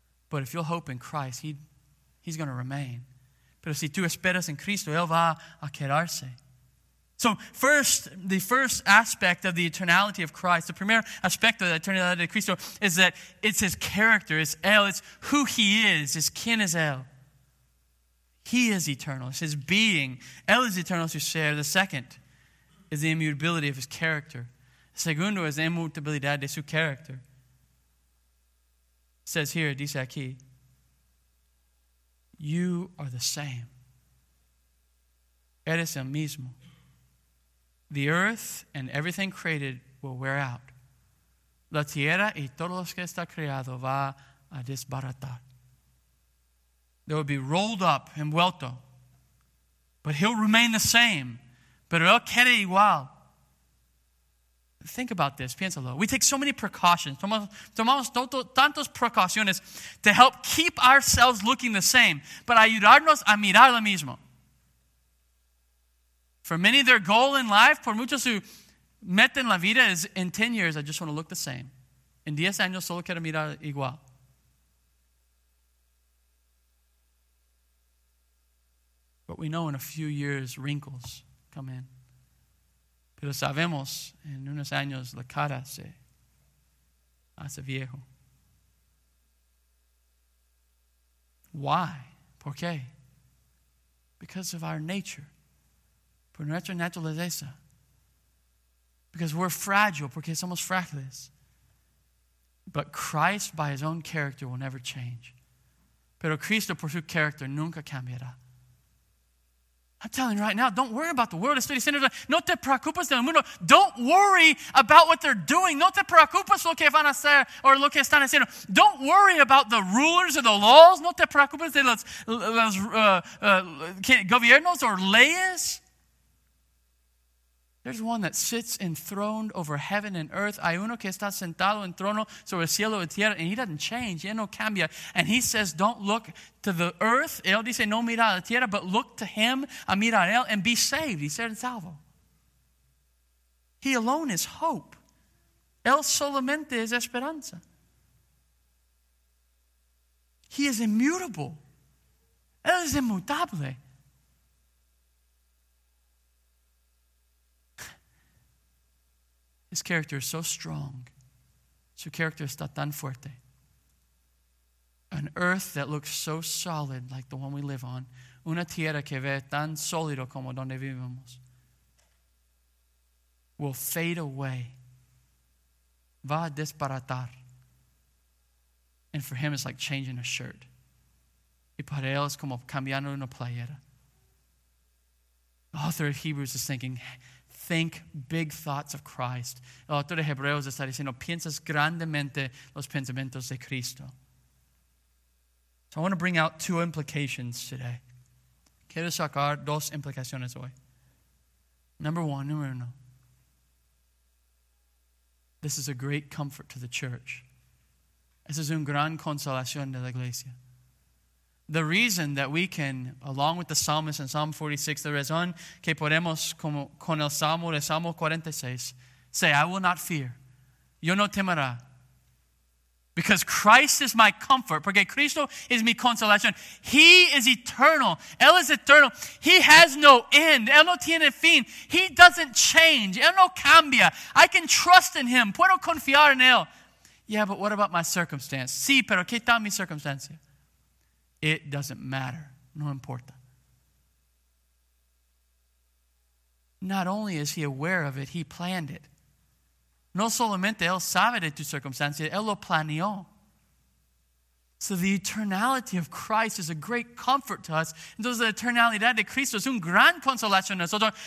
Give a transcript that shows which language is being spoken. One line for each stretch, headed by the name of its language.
English: But if you'll hope in Christ, he's going to remain.
Spanish: Pero si tú esperas en Cristo, Él va a quedarse.
English: So first, the first aspect of the eternality of Christ, the
Spanish: primer aspecto de la eternidad de Cristo,
English: is that it's his character, it's Él, it's who he is, it's
Spanish: quién es Él.
English: He is eternal, it's his being.
Spanish: Él es eternal, su ser.
English: The second is the immutability of his character.
Spanish: Segundo es la inmutabilidad de su character.
English: It says here,
Spanish: dice aquí,
English: you are the same.
Spanish: Eres el mismo.
English: The earth and everything created will wear out.
Spanish: La tierra y todo lo que está creado va a desbaratar.
English: They will be rolled up, envuelto. But he'll remain the same.
Spanish: Pero él queda igual.
English: Think about this.
Spanish: Piénsalo.
English: We take so many precautions.
Spanish: Tomamos tantas precauciones
English: to help keep ourselves looking the same.
Spanish: Para ayudarnos a mirar lo mismo.
English: For many, their goal in life,
Spanish: por muchos su meta en la vida,
English: is in 10 years, I just want to look the same.
Spanish: En 10 años, solo quiero mirar igual.
English: But we know in a few years, wrinkles come in.
Spanish: Pero sabemos, en unos años, la cara se hace viejo.
English: Why?
Spanish: ¿Por qué?
English: Because of our nature.
Spanish: Por nuestra naturaleza.
English: Because we're fragile,
Spanish: porque somos frágiles.
English: But Christ, by his own character, will never change.
Spanish: Pero Cristo, por su character, nunca cambiará.
English: I'm telling you right now, don't worry about the world.
Spanish: Estoy diciendo, no te preocupes del mundo.
English: Don't worry about what they're doing.
Spanish: No te preocupes lo que van a hacer or lo que están haciendo.
English: Don't worry about the rulers or the laws.
Spanish: No te preocupes de los gobiernos or leyes.
English: There's one that sits enthroned over heaven and earth.
Spanish: Hay uno que está sentado en trono sobre cielo y tierra,
English: and he doesn't change.
Spanish: Él no cambia.
English: And he says, don't look to the earth.
Spanish: Él dice, no mira a la tierra,
English: but look to him,
Spanish: a mirar él,
English: and be saved. He said,
Spanish: en salvo.
English: He alone is hope.
Spanish: Él solamente es esperanza.
English: He is immutable.
Spanish: Él es inmutable.
English: His character is so strong.
Spanish: Su character está tan fuerte.
English: An earth that looks so solid like the one we live on.
Spanish: Una tierra que ve tan sólido como donde vivimos.
English: Will fade away. Va a desbaratar. And for him it's like changing a shirt.
Spanish: Y para él es como cambiando una playera.
English: The author of Hebrews is thinking, think big thoughts of Christ.
Spanish: El autor de Hebreos está diciendo, piensas grandemente los pensamientos de Cristo.
English: So I want to bring out two implications today.
Spanish: Quiero sacar dos implicaciones hoy.
English: Number one. This is a great comfort to the church. This is
Spanish: un gran consolación de la iglesia.
English: The reason that we can, along with the psalmist in Psalm 46, the
Spanish: razón que podemos con el salmo de Salmo 46,
English: say, I will not fear.
Spanish: Yo no temerá.
English: Because Christ is my comfort.
Spanish: Porque Cristo es mi consolación.
English: He is eternal.
Spanish: Él es eterno.
English: He has no end.
Spanish: Él no tiene fin.
English: He doesn't change.
Spanish: Él no cambia.
English: I can trust in him.
Spanish: Puedo confiar en él.
English: Yeah, but what about my circumstance?
Spanish: Sí, pero ¿qué tal mi circunstancia?
English: It doesn't matter.
Spanish: No importa.
English: Not only is he aware of it, he planned it.
Spanish: No solamente él sabe de tu circunstancia, él lo planeó.
English: So the eternality of Christ is a great comfort to us.
Spanish: Entonces la eternidad de Cristo es un gran consolación a nosotros.